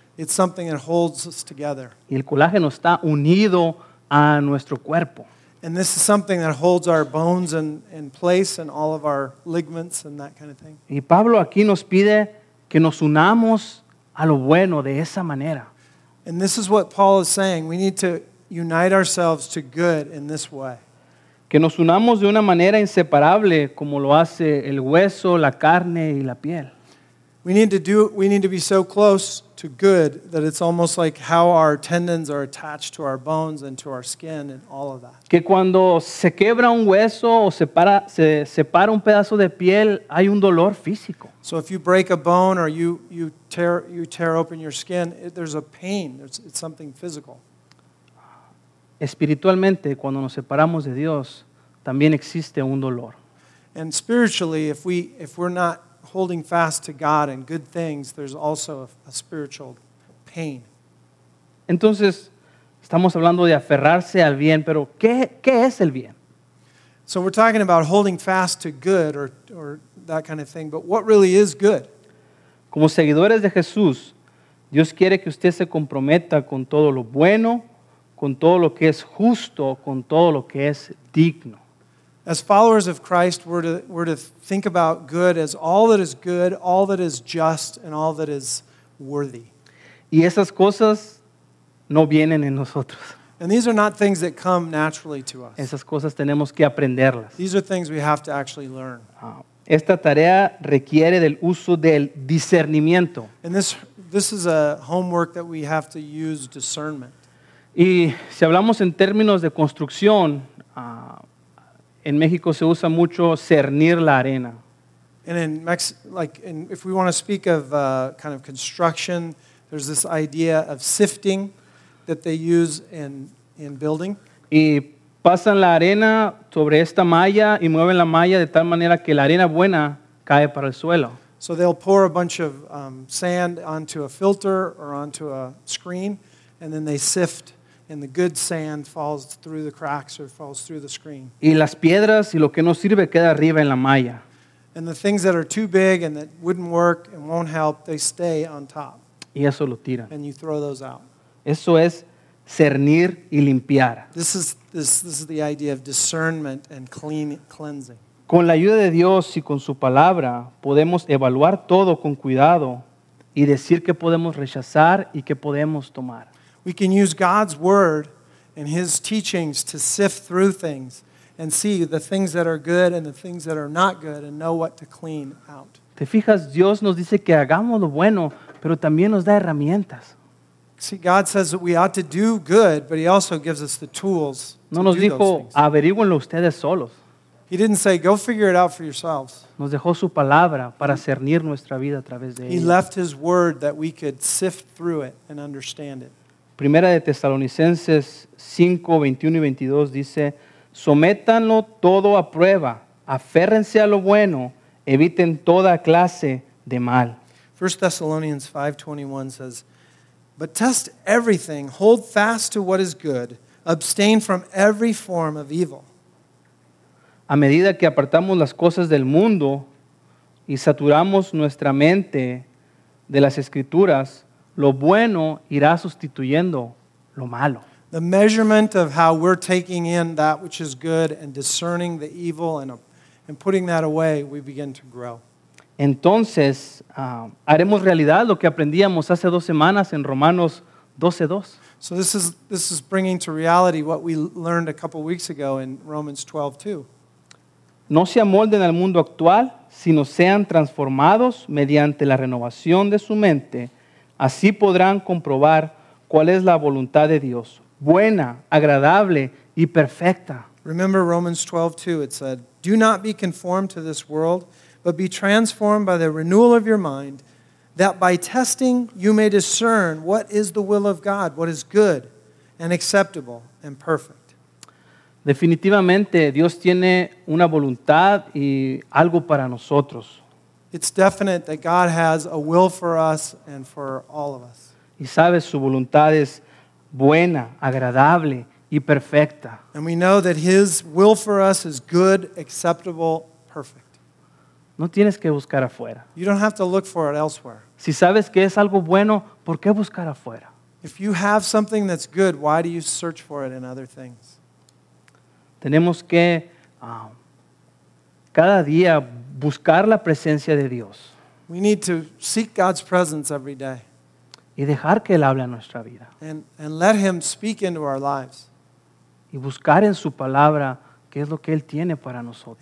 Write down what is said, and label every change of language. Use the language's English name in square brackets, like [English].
[English] It's something that holds us together. [Spanish] Y el colágeno está unido a nuestro cuerpo. [English] And this is something that holds our bones in place and all of our ligaments and that kind of thing. [Spanish] Y Pablo aquí nos pide que nos unamos a lo bueno de esa manera. [English] And this is what Paul is saying. We need to unite ourselves to good in this way. [Spanish] Que nos unamos de una manera inseparable como lo hace el hueso, la carne y la piel. [English] We need to be so close to good that it's almost like how our tendons are attached to our bones and to our skin and all of that. [Spanish] Que cuando se quebra un hueso o se separa un pedazo de piel, hay un dolor físico. [English] So if you break a bone or you tear open your skin, there's a pain. It's something physical. [Spanish] Espiritualmente, cuando nos separamos de Dios, también existe un dolor. [English] And spiritually, if we're not holding fast to God and good things, there's also a spiritual pain. [Spanish] Entonces, estamos hablando de aferrarse al bien, pero ¿qué es el bien? [English] So we're talking about holding fast to good or that kind of thing, but what really is good? [Spanish] Como seguidores de Jesús, Dios quiere que usted se comprometa con todo lo bueno, con todo lo que es justo, con todo lo que es digno. [English] As followers of Christ, we're to think about good as all that is good, all that is just, and all that is worthy. [Spanish] Y esas cosas no vienen en nosotros. [English] And these are not things that come naturally to us. [Spanish] Esas cosas tenemos que aprenderlas. [English] These are things we have to actually learn. [Spanish] Esta tarea requiere del uso del discernimiento. [English] And this is a homework that we have to use discernment. [Spanish] Y si hablamos en términos de construcción, en México se usa mucho cernir la arena. [English] And in if we want to speak of kind of construction, there's this idea of sifting that they use in building. [Spanish] Y pasan la arena sobre esta malla y mueven la malla de tal manera que la arena buena cae para el suelo. [English] So they'll pour a bunch of sand onto a filter or onto a screen, and then they sift, and the good sand falls through the cracks or falls through the screen. [Spanish] Y las piedras y lo que no sirve queda arriba en la malla. [English] And the things that are too big and that wouldn't work and won't help, they stay on top. [Spanish] Y eso lo tiran. [English] And you throw those out. [Spanish] Eso es cernir y limpiar. [English] This is the idea of discernment and cleansing. [Spanish] Con la ayuda de Dios y con su palabra, podemos evaluar todo con cuidado y decir qué podemos rechazar y qué podemos tomar. [English] We can use God's word and his teachings to sift through things and see the things that are good and the things that are not good and know what to clean out. [Spanish] ¿Te fijas? Dios nos dice que hagamos lo bueno, pero también nos da herramientas. [English] See, God says that we ought to do good, but he also gives us the tools to do those things. [Spanish] Averíguenlo ustedes solos. [English] He didn't say, go figure it out for yourselves. [Spanish] Nos dejó su palabra para cernir nuestra vida a través de ella. [English] He left his word that we could sift through it and understand it. [Spanish] Primera de Tesalonicenses 5, 21 y 22 dice, sométanlo todo a prueba, aférrense a lo bueno, eviten toda clase de mal. [English] 1 Thessalonians 5:21 says, but test everything, hold fast to what is good, abstain from every form of evil. [Spanish] A medida que apartamos las cosas del mundo y saturamos nuestra mente de las escrituras, lo bueno irá sustituyendo lo malo. [English] The measurement of how we're taking in that which is good and discerning the evil and putting that away, we begin to grow. [Spanish] Entonces, haremos realidad lo que aprendíamos hace dos semanas en Romanos 12:2. [English] So this is bringing to reality what we learned a couple weeks ago in Romans 12:2. [Spanish] No se amolden al mundo actual, sino sean transformados mediante la renovación de su mente. Así podrán comprobar cuál es la voluntad de Dios, buena, agradable y perfecta. [English] Remember Romans 12:2, it said, do not be conformed to this world, but be transformed by the renewal of your mind, that by testing you may discern what is the will of God, what is good and acceptable and perfect. [Spanish] Definitivamente, Dios tiene una voluntad y algo para nosotros. [English] It's definite that God has a will for us and for all of us. [Spanish] Y sabes, su voluntad es buena, agradable y perfecta. [English] And we know that his will for us is good, acceptable, perfect. [Spanish] No tienes que buscar afuera. [English] You don't have to look for it elsewhere. [Spanish] Si sabes que es algo bueno, ¿por qué buscar afuera? [English] If you have something that's good, why do you search for it in other things? [Spanish] Tenemos que cada día buscar la presencia de Dios. [English] We need to seek God's presence every day. [Spanish] Y dejar que Él hable a nuestra vida. [English] And let Him speak into our lives. [Spanish] Y buscar en su palabra qué es lo que Él tiene para nosotros.